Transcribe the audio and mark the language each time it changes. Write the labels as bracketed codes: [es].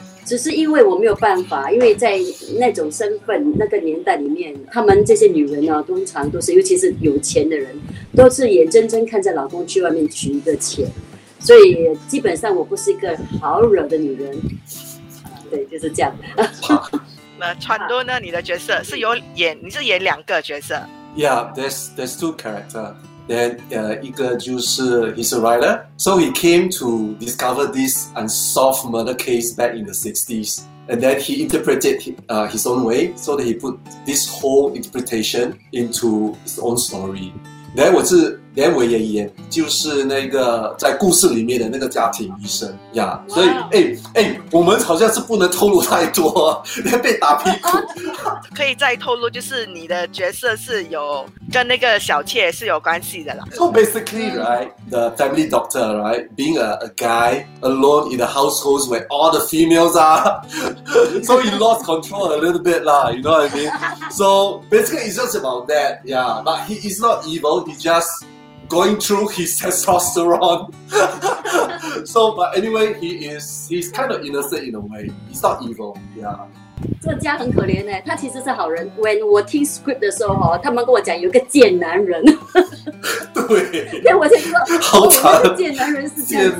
[zh] 只是因为我没有办法，因为在那种身份那个年代里面，他们这些女人啊，通常都是尤其是有钱的人，都是眼睁睁看着老公去外面取一个钱，所以基本上我不是一个好惹的女人，对，就是这样。那川多呢，你的角色是有演，你是演两个角色。 [en] Yeah, there's two characters. Then [zh] 一个就是 [en] he's a writer, so he came to discover this unsolved murder case back in the 60s, and then he interpreted his own way, so that he put this whole interpretation into his own story. Then [zh] 我是连我爷爷，就是那个在故事里面的那个家庭医生呀。 [en] Yeah, wow. [zh] 所以我们好像是不能透露太多，要被打屁股。可以再透露，就是你的角色是有跟那个小妾是有关系的啦。 [en] So basically, right, the family doctor, right, being a guy alone in a household where all the females are, so he lost control a little bit lah. You know what I mean? So basically, it's just about that. Yeah, but he is not evil. He just going through his testosterone. So, but anyway, he's kind of innocent in a way. He's not evil. Yeah. [zh] 这家很可怜哎，他其实是好人。 [en] When [zh] 我听 script 的时候，他们跟我讲有个贱男人。对。那我就说，好惨，哦、那个贱男人是这样子。